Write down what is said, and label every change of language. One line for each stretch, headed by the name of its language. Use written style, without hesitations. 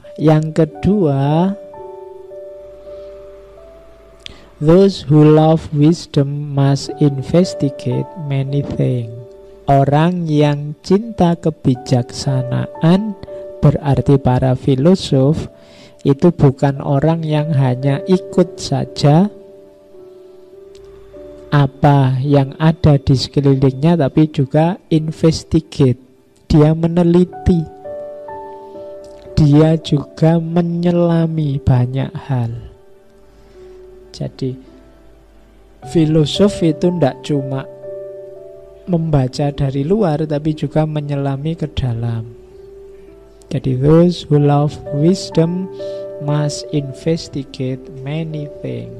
Indonesian: Yang kedua,
English: those who love wisdom must investigate many things.
Indonesian: Orang yang cinta kebijaksanaan, berarti para filosof, itu bukan orang yang hanya ikut saja apa yang ada di sekelilingnya, tapi juga investigate. Dia meneliti. Dia juga menyelami banyak hal. Jadi, filosof itu tidak cuma membaca dari luar, tapi juga menyelami ke dalam.
English: Jadi, those who love wisdom must investigate many things.